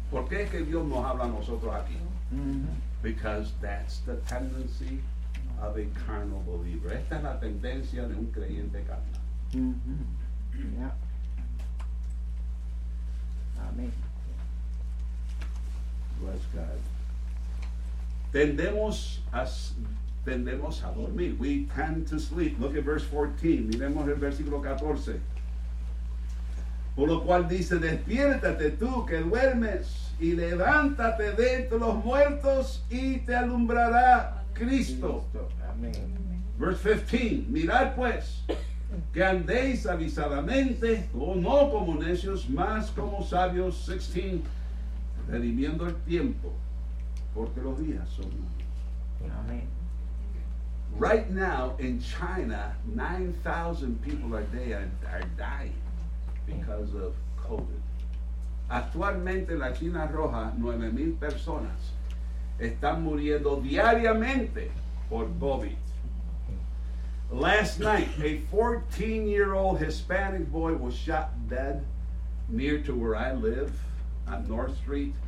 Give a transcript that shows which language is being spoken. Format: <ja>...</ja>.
<es>¿Por qué que Dios nos habla a nosotros aquí?</es> <en>Because that's the tendency of a carnal believer.</en> <es>Esta es la tendencia de un creyente carnal. Mm-hmm. Yeah. Amén.</es> <en>Bless God.</en> <es>Tendemos a dormir.</es> <en>We tend to sleep. Look at verse 14.</en> <es>Miremos el versículo 14. Por lo cual dice, despiértate tú que duermes y levántate de entre los muertos y te alumbrará Cristo. Amén.</es> <en>Verse 15.</en> <es>Mirad pues, que andéis avisadamente, o no como necios, más como sabios. 16. Redimiendo el tiempo, porque los días son malos. Amén.</es> <en>Right now in China, 9,000 people a day are dying because of COVID.</en> <es>Actualmente la China Roja, 9,000 personas están muriendo diariamente por COVID.</es> <en>Last night, a 14-year-old Hispanic boy was shot dead near to where I live on North Street.</en>